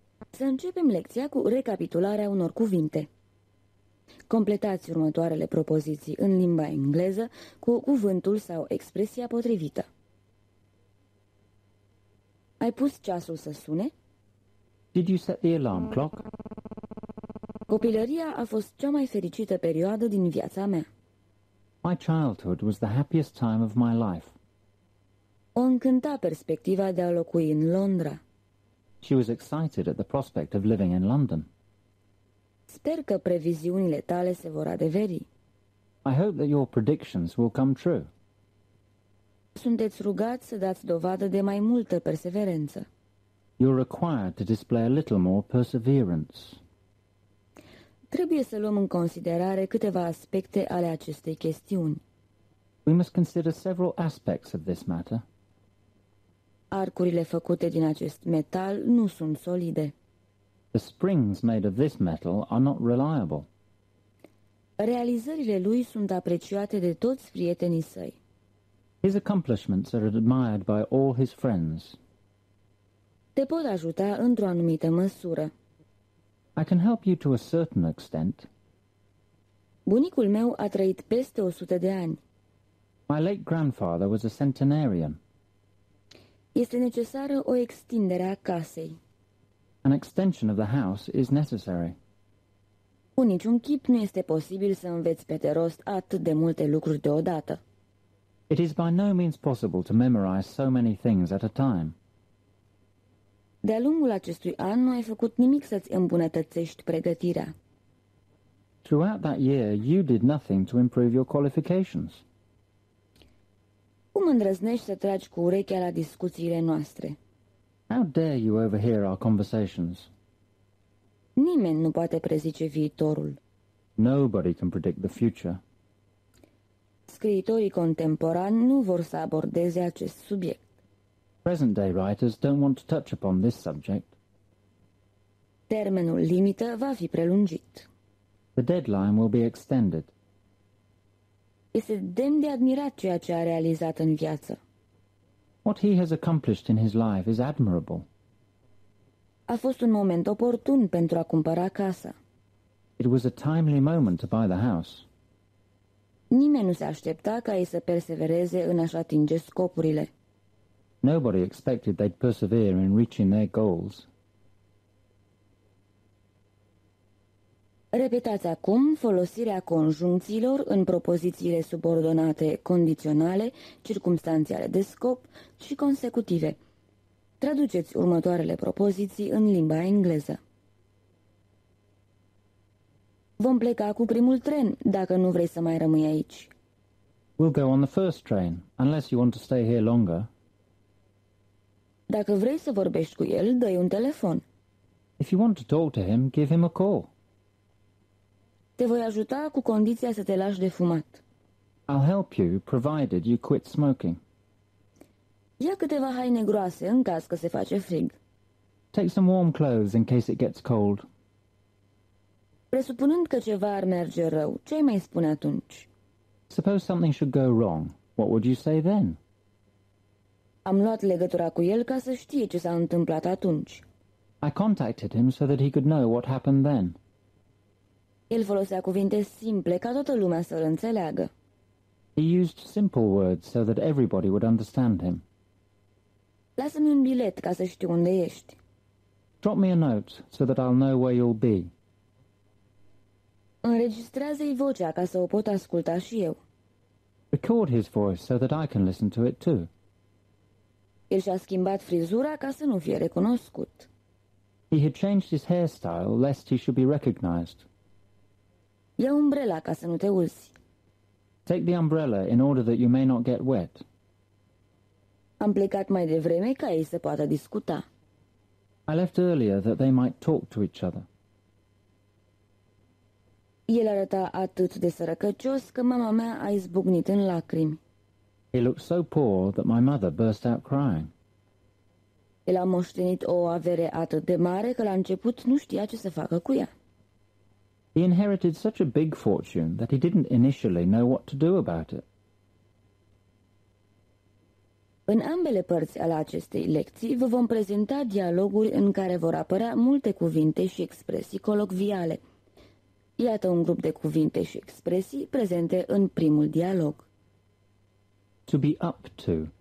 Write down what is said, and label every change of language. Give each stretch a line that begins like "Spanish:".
Romanian: Să începem lecția cu recapitularea unor cuvinte. Completați următoarele propoziții în limba engleză cu cuvântul sau expresia potrivită. Ai pus ceasul să sune?
English: Did you set the alarm clock?
Romanian: Copilăria a fost cea mai fericită perioadă din viața mea.
English: My childhood was the happiest time of my life.
Romanian: O încânta perspectiva de a locui în Londra.
English: She was excited at the prospect of living in London.
Romanian: Sper că previziunile tale se vor adeveri.
English: I hope that your predictions will come true.
Romanian: Sunteți rugați să dați dovadă de mai multă perseverență.
English: You're required to display a little more perseverance.
Romanian: Trebuie să luăm în considerare câteva aspecte ale acestei chestiuni.
English: We must consider several aspects of this matter.
Romanian: Arcurile făcute din acest metal nu sunt solide.
English: The springs made of this metal are not reliable.
Romanian: Realizările lui sunt apreciate de toți prietenii săi.
English: His accomplishments are admired by all his friends.
Romanian: Te pot ajuta într-o anumită măsură.
English: I can help you to a certain extent.
Romanian: Bunicul meu a trăit peste 100 de ani.
English: My late grandfather was a centenarian.
Romanian: Este necesară o extindere a casei.
English: An extension of the house is necessary.
Romanian: Cu niciun chip nu este posibil să înveți pe de rost atât de multe lucruri deodată.
English: It is by no means possible to memorize so many things at a time.
Romanian: De-a lungul acestui an nu ai făcut nimic să-ți îmbunătățești pregătirea.
English: Throughout that year, you did nothing to improve your qualifications.
Romanian: Cum îndrăznești să tragi cu urechea la discuțiile noastre?
English: How dare you overhear our conversations?
Romanian: Nimeni nu poate prezice viitorul.
English: Nobody can predict the future.
Romanian: Scriitorii contemporani nu vor să abordeze acest subiect.
English: Present-day writers don't want to touch upon this subject.
Romanian: Termenul limită va fi prelungit.
English: The deadline will be extended.
Romanian: Este demn de admirat ceea ce a realizat în viață.
English: What he has accomplished in his life is admirable.
Romanian: A fost un moment oportun pentru a cumpăra casa.
English: It was a timely moment to buy the house.
Romanian: Nimeni nu se aștepta ca ei să persevereze în a-și atinge scopurile.
English: Nobody expected they'd persevere in reaching their goals.
Romanian: Repetați acum folosirea conjuncțiilor în propozițiile subordonate, condiționale, circumstanțiale de scop și consecutive. Traduceți următoarele propoziții în limba engleză. Vom pleca cu primul tren, dacă nu vrei să mai rămâi aici.
English: We'll go on the first train, unless you want to stay here longer.
Romanian: Dacă vrei să vorbești cu el, dă-i un telefon.
English: If you want to talk to him, give him a call.
Romanian: Te voi ajuta cu condiția să te lași de fumat.
English: I'll help you, provided you quit smoking.
Romanian: Ia câteva haine groase în caz că se face frig.
English: Take some warm clothes in case it gets cold.
Romanian: Presupunând că ceva ar merge rău, ce-ai mai spune atunci?
English: Suppose something should go wrong, what would you say then?
Romanian: Am luat legătura cu el ca să știe ce s-a întâmplat atunci.
English: I contacted him so that he could know what happened then.
Romanian: El folosea cuvinte simple ca toată lumea să-l înțeleagă.
English: He used simple words so that everybody would understand him.
Romanian: Lasă-mi un bilet ca să știu unde ești.
English: Drop me a note so that I'll know where you'll be.
Romanian: Înregistrează-i vocea ca să o pot asculta și eu.
English: Record his voice so that I can listen to it too.
Romanian: El și-a schimbat frizura ca să nu fie recunoscut.
English: He had changed his hairstyle lest he should be recognized.
Romanian: Ia umbrela ca să nu te ulzi.
English: Take the umbrella in order that you may not get wet.
Romanian: Am plecat mai devreme ca ei să poată discuta.
English: I left earlier that they might talk to each other.
Romanian: El arăta atât de sărăcăcios că mama mea a izbucnit în lacrimi.
English: He looked so poor that my mother burst out crying.
Romanian: El a moștenit o avere atât de mare că la început nu știa ce să facă cu ea.
English: He inherited such a big fortune that he didn't initially know what to do about it.
Romanian: În ambele părți ale acestei lecții vă vom prezenta dialoguri în care vor apărea multe cuvinte și expresii colocviale. Iată un grup de cuvinte și expresii prezente în primul dialog.
English: To be up to.